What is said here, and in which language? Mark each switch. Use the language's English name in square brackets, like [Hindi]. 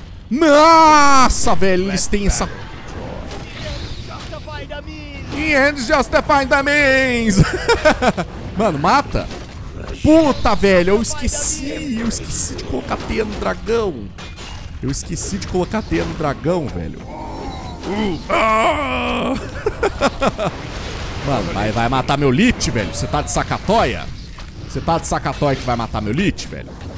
[Portuguese] Nossa, velho, eles têm essa... [English] The ends justify the means. [Portuguese] Mano, mata. Puta, velho, eu esqueci de colocar teia no dragão. Eu esqueci de colocar teia no dragão, velho. Mano, vai matar meu lit, velho. Você tá de sacatoia? Você tá de sacatoia que vai matar meu lit, velho?